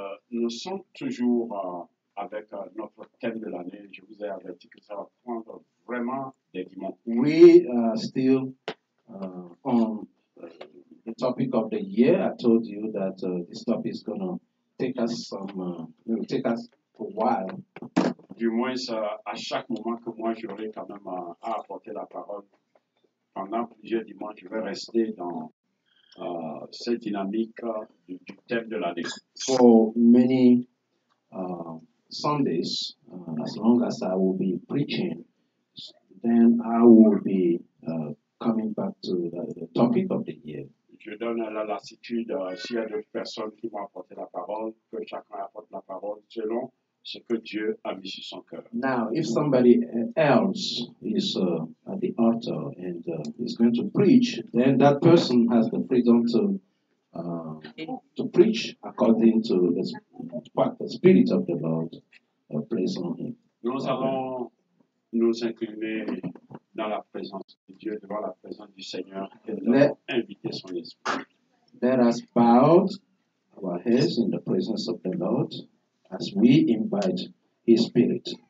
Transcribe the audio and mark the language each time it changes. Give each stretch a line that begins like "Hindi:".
French: Nous sommes toujours avec notre thème de l'année. Je vous ai averti que ça va prendre vraiment des dimanches.
English: We still on the topic of the year. I told you that this topic is going to take us some, take us a while.
French: Du moins, à chaque moment que moi j'aurai quand même à apporter la parole pendant plusieurs dimanches, je vais rester dans cette dynamique du thème de l'année.
English: For many Sundays, as long as I will be preaching, then I will be coming back to the topic of the year.
French: Je donne la lassitude s'il y a d'autres personnes qui vont apporter la parole, que chacun apporte la parole selon ce que Dieu a mis sur son cœur.
English: Now, if somebody else is at the altar and is going to preach, then that person has the freedom to preach according to the fact the Spirit of the Lord plays on him.
French: Nous allons nous incliner dans la présence de Dieu, devant la présence du Seigneur, et nous inviter son esprit.
English: Let us bow our heads in the presence of the Lord. As we invite His Spirit.